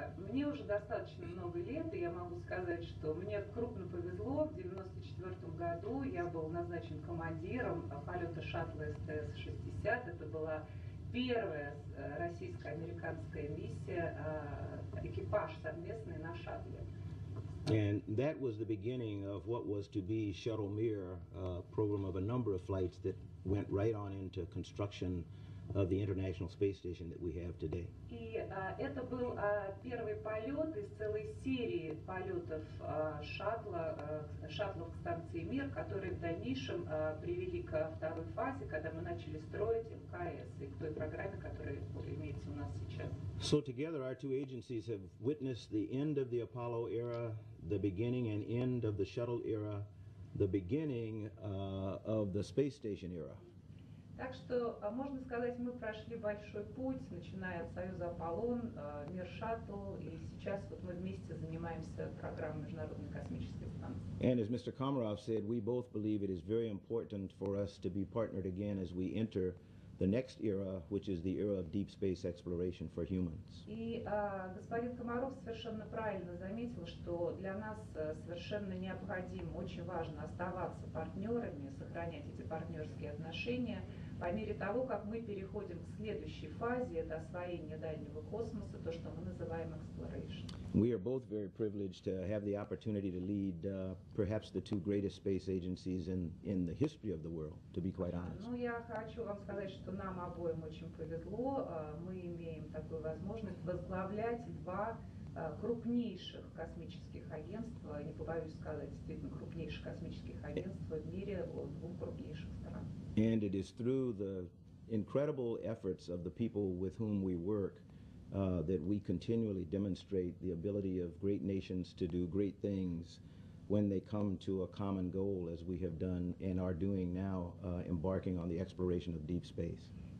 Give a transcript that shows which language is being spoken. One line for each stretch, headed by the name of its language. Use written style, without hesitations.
Russian: Мне уже достаточно много лет, и я могу сказать, что мне крупно повезло. В 1994 году я был назначен командиром полета шаттла STS-60. Это была первая российско-американская миссия, экипаж совместный на шаттле.
English: And that was the beginning of what was to be Shuttle Mir, a program of a number of flights that went right on into construction of the International Space Station that we have today.
Russian: И это был первый полет из целой серии полетов шаттлов к станции Мир, которые в дальнейшем привели ко второй фазе, когда мы начали строить МКС и к той программе, которая имеется у нас сейчас.
English: So together our two agencies have witnessed the end of the Apollo era, the beginning and end of the shuttle era, the beginning of the space station era.
Russian: Так что можно сказать, мы прошли большой путь, начиная от Союза Аполлон, Мир Шаттл, и сейчас вот мы вместе занимаемся программой Международной космической станции.
English: And as Mr. Komarov said, we both believe it is very important for us to be partnered again as we enter the next era, which is the era of deep space exploration for humans.
Russian: И господин Комаров совершенно правильно заметил, что для нас совершенно необходимо, очень важно оставаться партнерами, сохранять эти партнерские отношения по мере того, как мы переходим к следующей фазе, это освоение дальнего космоса, то, что мы называем exploration.
English: We are both very privileged to have the opportunity to lead perhaps the two greatest space agencies in the history of the world, to be quite honest.
Russian: Ну, я хочу вам сказать, что нам обоим очень повезло. Мы имеем такую возможность возглавлять два крупнейших космических агентства, не побоюсь сказать, действительно, крупнейших космических агентства в мире, двух крупнейших стран.
English: And it is through the incredible efforts of the people with whom we work that we continually demonstrate the ability of great nations to do great things when they come to a common goal, as we have done and are doing now, embarking on the exploration of deep space.